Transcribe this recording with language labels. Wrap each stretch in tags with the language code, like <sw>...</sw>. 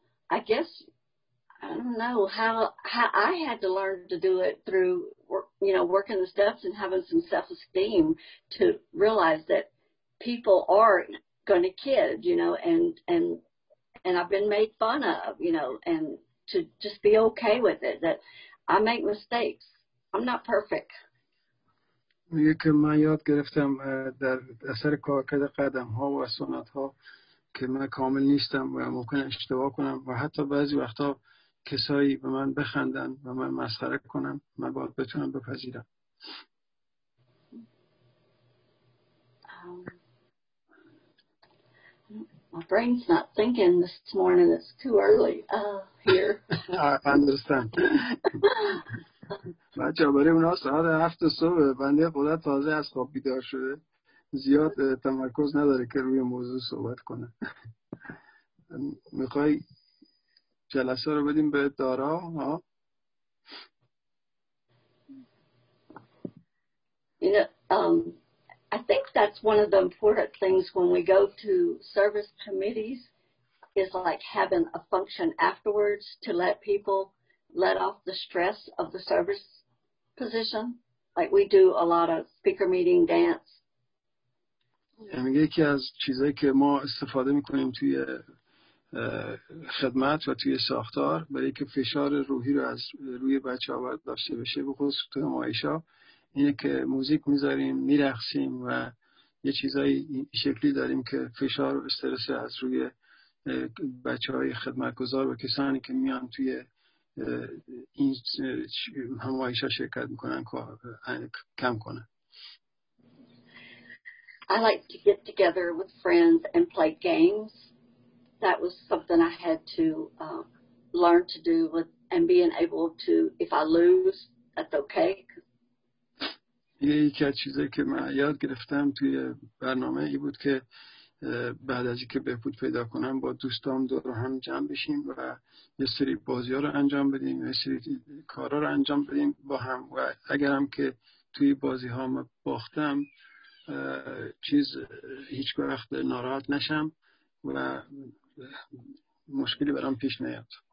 <en>I guess, I don't know how I had to learn to do it through, you know, working the steps and having some self-esteem to realize that people are going to kid, you know, and I've been made fun of, you know, and to just be okay with it, that I make mistakes. I'm not perfect.</en> <fa>یکی من یاد گرفتم در اثر کارکرد قدم ها و سنت ها که من کامل نیستم و ممکن اشتباه کنم و حتی بعضی وقتا کسایی به من بخندن و من مسخره کنم من باید بتونم بپذیرم.</fa> <en>My brain's not thinking this morning. It's too early here. I understand.</en> <fa>بچه برای اونا ساعت 7 صبح بنده خدا تازه از خواب بیدار شده زیاد تمرکز نداره که روی موضوع صحبت کنه. میخوای جلسه رو بدیم به دارا؟ ها؟</fa> <en>You know, I think that's one of the important things when we go to service committees is like having a function afterwards to let people let off the stress of the service position. Like we do a lot of speaker meeting dance.</en> <fa>میگه که از چیزایی که ما استفاده میکنیم توی خدمت و توی ساختار برای که فشار روحی رو از روی بچه‌ها برداشته بشه به خصوص توی نمایشا اینه که موزیک میذاریم میرخسیم و یه چیزایی شکلی داریم که فشار و استرس از روی بچه‌های خدمتگزار و کسانی که میان توی این همایشا شرکت میکنن کم کنه.</fa> <en>I like to get together with friends and play games. That was something I had to learn to do with and being able to, if I lose, that's okay.</en> <fa>یه یکی از چیزایی که من یاد گرفتم توی برنامه ای بود که بعد از اینکه بهبود پیدا کنم با دوستام دور هم جمع بشیم و یه سری بازی ها رو انجام بدیم یه سری کارا رو انجام بدیم با هم و اگرم که توی بازی ها من باختم چیز هیچ وقت ناراحت نشم و مشکلی برام پیش نیاد.</fa>